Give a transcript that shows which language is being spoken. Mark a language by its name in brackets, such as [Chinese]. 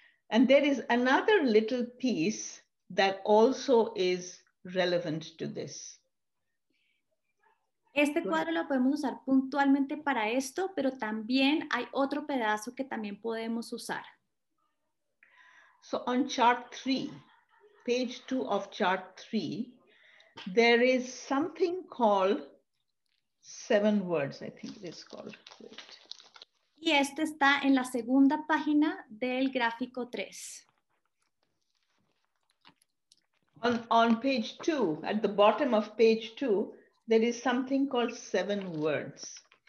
[English] And there is another little piece that also is relevant to this. [Spanish] Este cuadro lo podemos usar puntualmente para esto, pero también hay otro pedazo que también podemos usar. [English] So on chart 3, page 2 of chart 3, there is something called 7 words, I think it is called. Wait. [Spanish] Y este está en la segunda página del gráfico 3. [English] On page 2, at the bottom of page 2, there is something called 7 words.